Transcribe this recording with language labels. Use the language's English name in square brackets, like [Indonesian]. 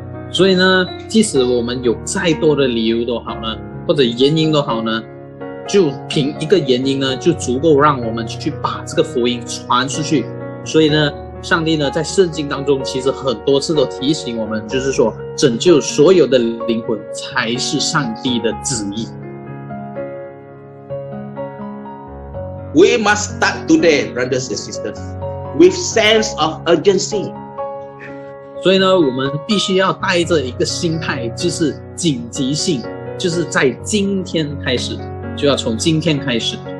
[Chinese] 所以呢，即使我们有再多的理由都好呢，或者原因都好呢，就凭一个原因呢，就足够让我们去把这个福音传出去。所以呢，上帝呢，在圣经当中其实很多次都提醒我们，就是说拯救所有的灵魂才是上帝的旨意。 [English] We must start today, brothers and sisters, with sense of urgency. [Chinese] 所以呢，我们必须要带着一个心态，就是紧急性，就是在今天开始，就要从今天开始。